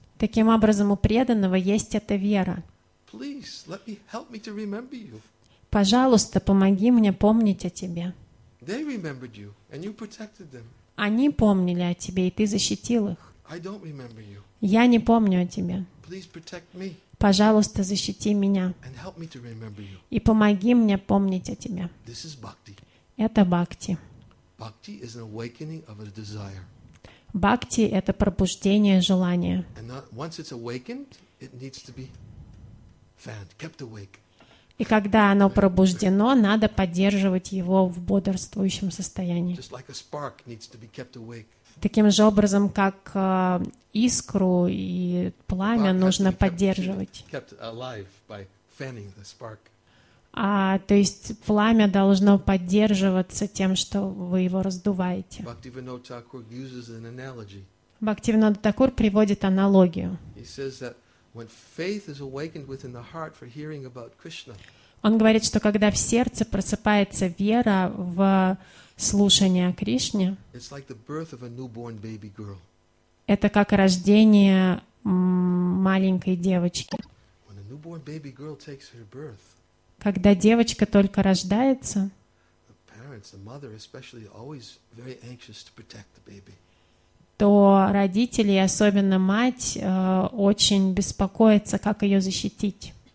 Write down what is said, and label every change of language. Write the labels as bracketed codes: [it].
[ru] Таким образом, у преданного есть эта вера. [en] Please, let me help me to remember you. [ru] Пожалуйста, помоги мне помнить о тебе. [en] They remembered you, and you protected them. [ru] Они помнили о тебе, и ты защитил их. [en] I don't remember you. [ru] Я не помню о тебе. [en] Please protect me. [ru] Пожалуйста, защити меня. [en] And help me to remember you. [ru] И помоги мне помнить о тебе. [en] This is bhakti. [ru] Это бхакти. [en] Bhakti is an awakening of a desire. [ru] Бхакти — это пробуждение желания. [en] And not, once it's awakened, it needs to be fanned, kept awake. [ru] И когда оно пробуждено, надо поддерживать его в бодрствующем состоянии. [en] Just like a spark needs to be kept awake. [ru] Таким же образом, как искру и пламя нужно поддерживать. [en] Kept alive by fanning the spark. [ru] А, то есть пламя должно поддерживаться тем, что вы его раздуваете. [en] Бхактивинода Тхакур uses an analogy. [ru] Бхактивинода Тхакур приводит аналогию. [en] He says that when faith is awakened within the heart for hearing about Krishna. [ru] Он говорит, что когда в сердце просыпается вера в слушание о Кришне, [en] it's like the birth of a newborn baby girl. [ru] Это как рождение маленькой девочки. [en] When a newborn baby girl takes her birth, [ru] когда девочка только рождается, [en] the parents, the mother especially, always very anxious to protect the baby. [ru] То родители, особенно мать, очень беспокоятся, как ее защитить.